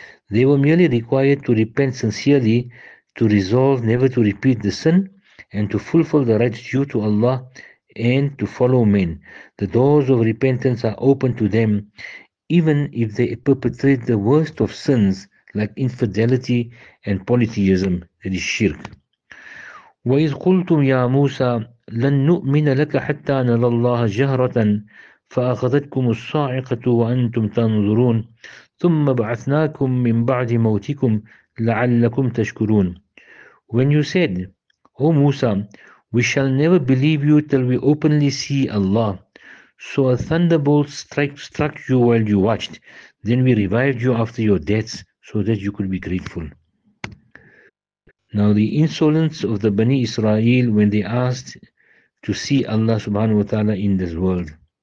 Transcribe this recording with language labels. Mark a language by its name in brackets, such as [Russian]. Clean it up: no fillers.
[English] They were merely required to repent sincerely, to resolve never to repeat the sin, and to fulfill the rights due to Allah and to follow men. The doors of repentance are open to them, even if they perpetrate the worst of sins, like infidelity and polytheism, that is shirk. [Arabic] وَإِذْ قُلْتُمْ يَا مُوسَىٰ لَن نُؤْمِنَ لَكَ حَتَّىٰ نَرَى اللَّهَ جَهْرَةً فَأَخَذَتْكُمُ الصَّاعِقَةُ وَأَنْتُمْ تَنْظُرُونَ ثُمَّ بَعَثْنَاكُمْ مِنْ بَعْدِ مَوْتِكُمْ لَعَلَّكُمْ تَشْكُرُونَ. [English] When you said, "O Musa, We shall never believe you till we openly see Allah. So a thunderbolt struck you while you watched. Then we revived you after your deaths so that you could be grateful. Now the insolence of the Bani Israel when they asked to see Allah subhanahu wa ta'ala in this world.